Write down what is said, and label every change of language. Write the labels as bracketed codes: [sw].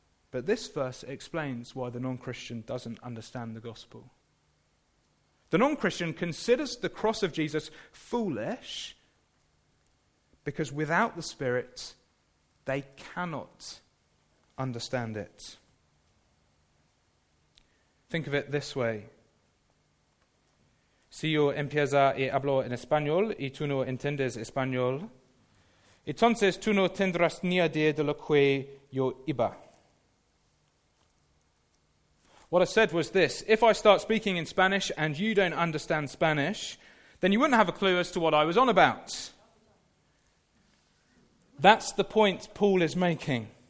[en] But this verse explains why the non-Christian doesn't understand the gospel. The non-Christian considers the cross of Jesus foolish because without the Spirit, they cannot understand it. Think of it this way. [es] Si yo empieza y hablo en español y tú no entiendes español, entonces tú no tendrás ni idea de lo que yo iba. [en] What I said was this: if I start speaking in Spanish and you don't understand Spanish, then you wouldn't have a clue as to what I was on about. That's the point Paul is making.